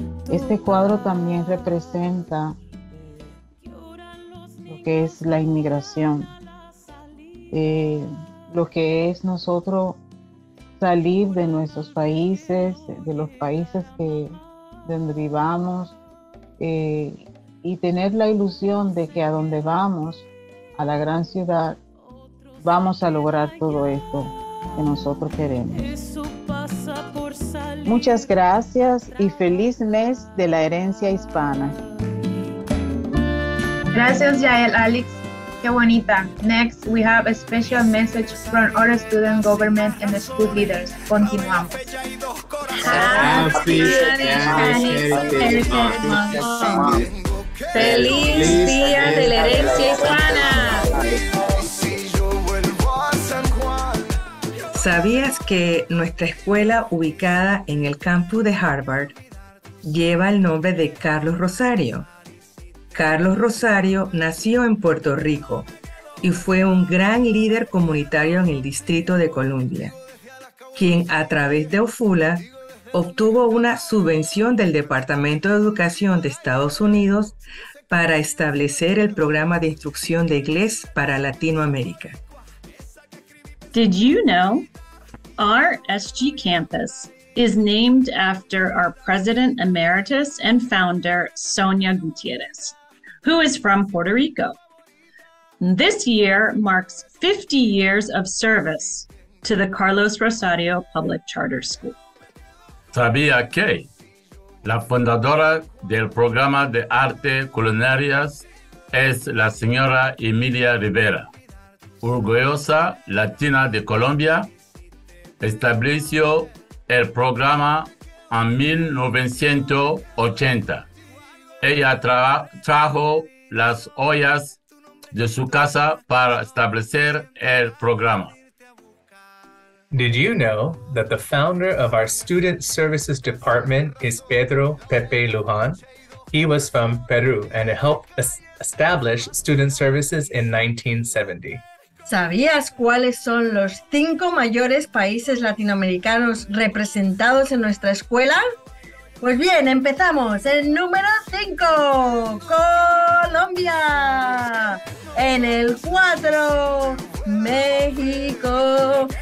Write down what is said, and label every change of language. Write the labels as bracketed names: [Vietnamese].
[Spanish] Este cuadro también representa lo que es la inmigración, lo que es nosotros salir de nuestros países, de los países que, de donde vivamos, y tener la ilusión de que a donde vamos, a la gran ciudad, vamos a lograr todo esto que nosotros queremos. Muchas gracias y feliz mes de la herencia hispana. Gracias, Yael Alex. Qué bonita. [English] Next, we have a special message from our student government and school leaders. [Spanish] Continuamos. Feliz día de la herencia hispana. ¿Sabías que nuestra escuela ubicada en el campus de Harvard lleva el nombre de Carlos Rosario? Carlos Rosario nació en Puerto Rico y fue un gran líder comunitario en el Distrito de Columbia, quien a través de OFULA obtuvo una subvención del Departamento de Educación de Estados Unidos para establecer el programa de instrucción de inglés para Latinoamérica. [English] Did you know our SG campus is named after our president emeritus and founder, Sonia Gutierrez, who is from Puerto Rico? This year marks 50 years of service to the Carlos Rosario Public Charter School. [Spanish] ¿Sabía que la fundadora del programa de arte culinarias es la señora Emilia Rivera? Orgullosa Latina de Colombia, estableció el programa en 1980. Ella trajo las ollas de su casa para establecer el programa. [English] Did you know that the founder of our student services department is Pedro Pepe Luján? He was from Peru and helped establish student services in 1970. [Spanish] ¿Sabías cuáles son los 5 mayores países latinoamericanos representados en nuestra escuela? Pues bien, empezamos. El número 5, Colombia. En el 4, México.